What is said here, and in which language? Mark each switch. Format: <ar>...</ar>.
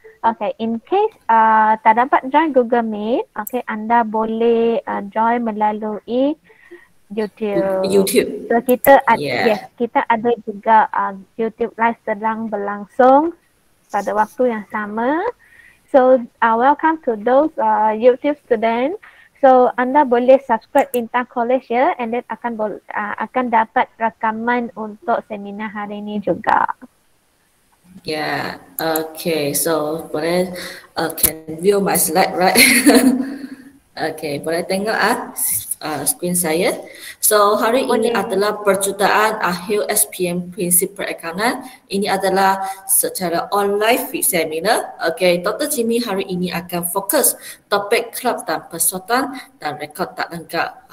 <ms>Okay,</ms> <en>in case</en> <ms>tak dapat join Google Meet, okay, anda boleh join melalui YouTube. So kita kita ada juga YouTube live sedang berlangsung pada waktu yang sama.</ms> <en>So, welcome to those YouTube students.</en> <ms>So, anda boleh subscribe Bintang College ya,</ms> <en>and then</en> <ms>akan akan dapat rekaman untuk seminar hari ini juga.</ms> <en>Yeah, okay. So,</en> <ms>boleh</ms> <en>can view my slide, right?</en> <ms>Okay, boleh tengok screen saya. So, hari ini adalah percutaan akhir SPM prinsip perakaunan. Ini adalah secara online seminar. Okay, Dr. Jimmy hari ini akan fokus topik klub dan persatuan dan rekod tak lengkap.</ms>